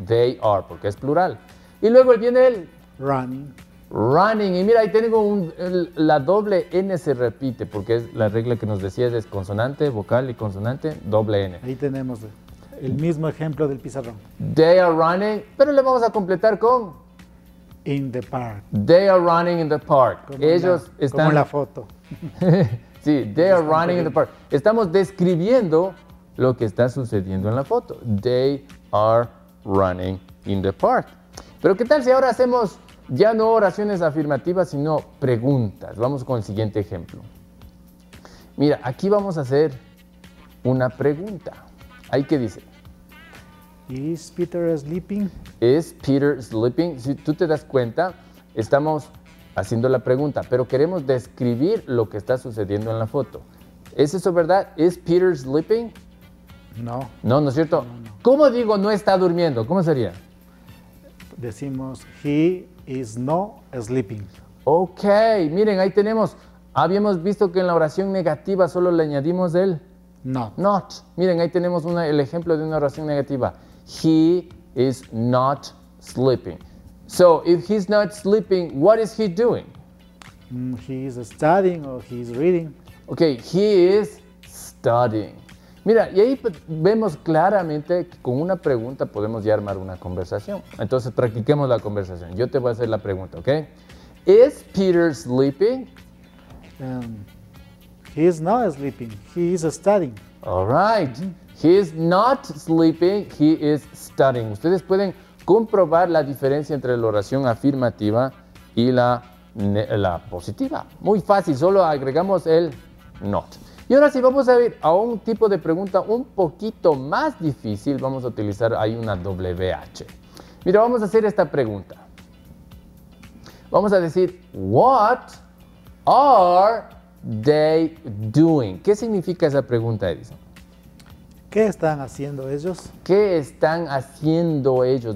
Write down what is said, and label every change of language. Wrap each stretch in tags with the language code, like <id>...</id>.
<en>They are,</en> <es>porque es plural. Y luego viene el</es> <en>running.</en> <es>Running. Y mira, ahí tengo la doble N se repite, porque es la regla que nos decías, es consonante, vocal y consonante, doble N. Ahí tenemos el mismo ejemplo del pizarrón.</es> <en>They are running,</en> <es>pero le vamos a completar con</es> <en>in the park. They are running in the park.</en> <es>Como la foto.</es> <en>Sí, they are running in the park.</en> <es>Estamos describiendo lo que está sucediendo en la foto.</es> <en>They are running in the park.</en> <es>Pero ¿qué tal si ahora hacemos ya no oraciones afirmativas, sino preguntas? Vamos con el siguiente ejemplo. Mira, aquí vamos a hacer una pregunta. ¿Ahí qué dice?</es> <en>¿Is Peter sleeping? ¿Is Peter sleeping?</en> <es>Si tú te das cuenta, estamos haciendo la pregunta, pero queremos describir lo que está sucediendo en la foto. ¿Es eso verdad?</es> <en>¿Is Peter sleeping?</en> <es>No. No, ¿no es cierto? No. ¿Cómo digo no está durmiendo? ¿Cómo sería? Decimos</es> <en>he is no sleeping.</en> <es>Ok, miren, ahí tenemos. Habíamos visto que en la oración negativa solo le añadimos el</es> <en>not.</en> <es>Miren, ahí tenemos el ejemplo de una oración negativa.</es> <en>He is not sleeping. So, if he's not sleeping, what is he doing? He is studying or he is reading. Ok, he is studying.</en> <es>Mira, y ahí vemos claramente que con una pregunta podemos ya armar una conversación. Entonces, practiquemos la conversación. Yo te voy a hacer la pregunta, ¿ok?</es> <en>¿Is Peter sleeping? He is not sleeping. He is studying. All right. He is not sleeping. He is studying.</en> <es>Ustedes pueden comprobar la diferencia entre la oración afirmativa y la positiva. Muy fácil. Solo agregamos el not. Y ahora sí, vamos a ir a un tipo de pregunta un poquito más difícil. Vamos a utilizar ahí una WH. Mira, vamos a hacer esta pregunta. Vamos a decir,</es> <en>what are they doing?</en> <es>¿Qué significa esa pregunta, Edison? ¿Qué están haciendo ellos? ¿Qué están haciendo ellos?</es>